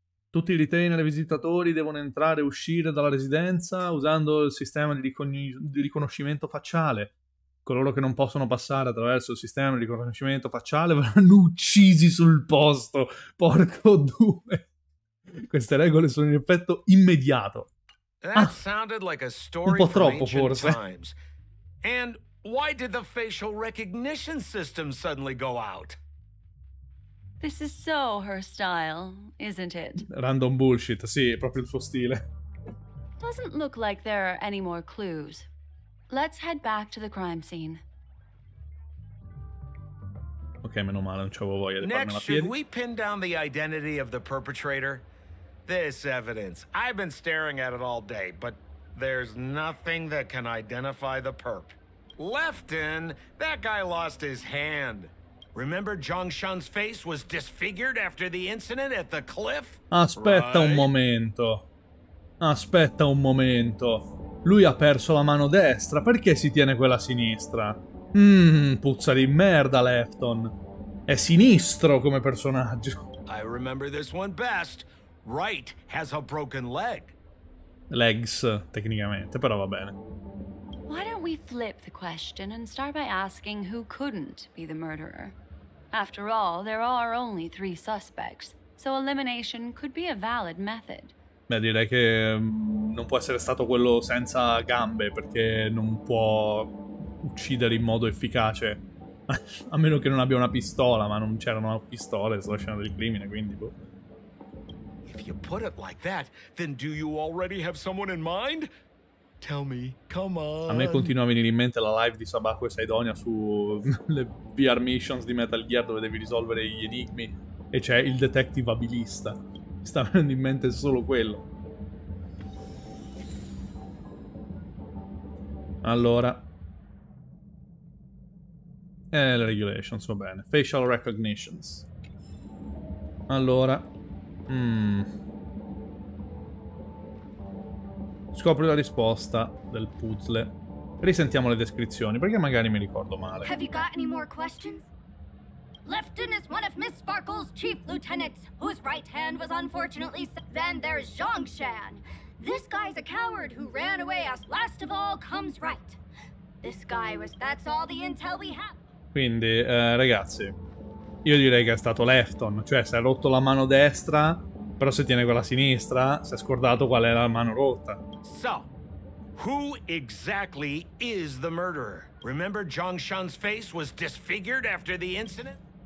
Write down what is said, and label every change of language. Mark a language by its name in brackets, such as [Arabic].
[Italian] Tutti i retainer e visitatori devono entrare e uscire dalla residenza usando il sistema di riconoscimento facciale. Coloro che non possono passare attraverso il sistema di riconoscimento facciale verranno uccisi sul posto. Porco due. Queste regole sono in effetto immediato. [English] That sounded like a story from ancient times. And why did the facial recognition system suddenly go out? This is so her style, isn't it? Random bullshit, [Italian] sì, è proprio il suo stile. [English] Doesn't look like there are any more clues. Let's head back to the crime scene. [Italian] Ok, meno male, non c'avevo voglia di farmela [English] piedi. Next, should we pin down the identity of the perpetrator? This evidence, I've been staring at it all day, but there's nothing that can identify the perp. Lefton, that guy lost his hand. Remember Zhongshan's face was disfigured after the incident at the cliff? [Italian] Aspetta un momento. Aspetta un momento. Lui ha perso la mano destra, perché si tiene quella sinistra? Puzza di merda, Lefton. È sinistro come personaggio. [English] I remember this one best. Wright has a broken leg. [Italian] Legs, tecnicamente, però va bene. [English] Why don't we flip the question and start by asking who couldn't be the murderer? After all, there are only three suspects, so elimination could be a valid method. [Italian] Beh, direi che non può essere stato quello senza gambe, perché non può uccidere in modo efficace. A meno che non abbia una pistola, ma non c'erano pistole sulla scena del crimine, quindi boh. [English] If you put it like that, then do you already have someone in mind? Tell me, come on. [Italian] A me continua a venire in mente la live di Sabaku e Saidonia su le VR missions di Metal Gear dove devi risolvere gli enigmi e c'è il detective abilista. Mi sta venendo in mente solo quello. Allora. Le regulations, va bene. [English] Facial recognitions. [Italian] Allora. Scopri la risposta del puzzle. Risentiamo le descrizioni, perché magari mi ricordo male. [English] Have you got any more questions? Lefton is one of Miss Sparkle's chief lieutenants, whose right hand was unfortunately... Then there's Zhongshan. This guy's a coward who ran away as last of all comes right. This guy was... That's all the intel we have. [Italian] Quindi, ragazzi, io direi che è stato Lefton. Cioè, si è rotto la mano destra, però se tiene quella sinistra, si è scordato qual è la mano rotta. [English] So, who exactly is the murderer? Remember Zhongshan's face was disfigured after the incident?